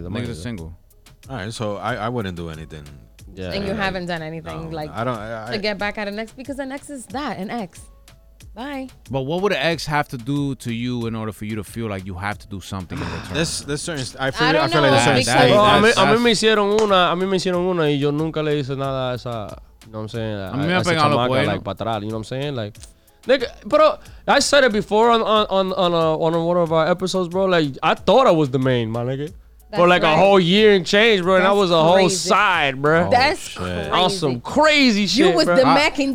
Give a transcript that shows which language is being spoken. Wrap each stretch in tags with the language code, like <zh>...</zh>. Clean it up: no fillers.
<en>Niggas single. Alright, so I wouldn't do anything. Yeah. And you haven't done anything to get back at an ex, because an ex is that, an ex. Bye. But what would an ex have to do to you in order for you to feel like you have to do something in return? There's certain... I feel like there's certain...</en> <es>A mí me hicieron una, y yo nunca le hice nada a esa...</es> <en>You know what I'm saying?</en> <es>A mí me ha pegado lo bueno.</es> <en>Like,</en> <es>para atrás,</es> <en>you know what I'm saying? Like, nigga, bro, I said it before on one of our episodes, bro. Like, I thought I was the main, my nigga. That's for like a whole year and change, bro. That's and I was a crazy. Whole side, bro. Oh, that's crazy. Awesome. Crazy shit, you bro. You was the Mac and Cheese,</en>